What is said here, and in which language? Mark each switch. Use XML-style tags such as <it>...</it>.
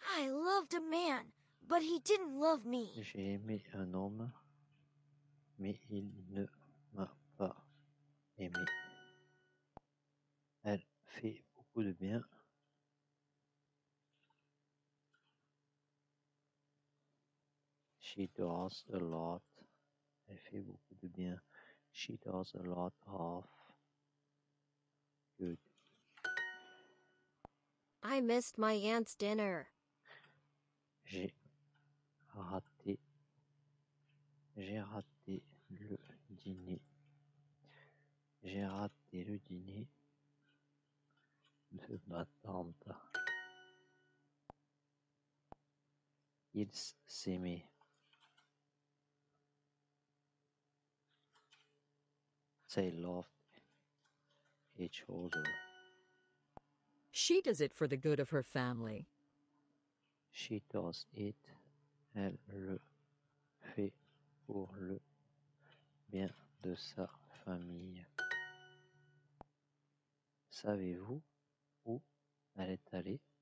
<en>I loved a man, but he didn't love me.</en> <fr>J'ai aimé un homme, mais il ne m'a pas aimé. Elle fait beaucoup de bien.</fr> <en>She does a lot.</en> <fr>Elle fait beaucoup de bien.</fr> <en>She does a lot of good. I missed my aunt's dinner.</en> <fr>J'ai raté le dîner. J'ai raté le dîner de ma tante. Ils s'aimaient.</fr> <en>They loved each other. She does it for the good of her family. She does it.</en> <fr>Elle le fait pour le bien de sa famille. Savez-vous où elle est allée?</fr>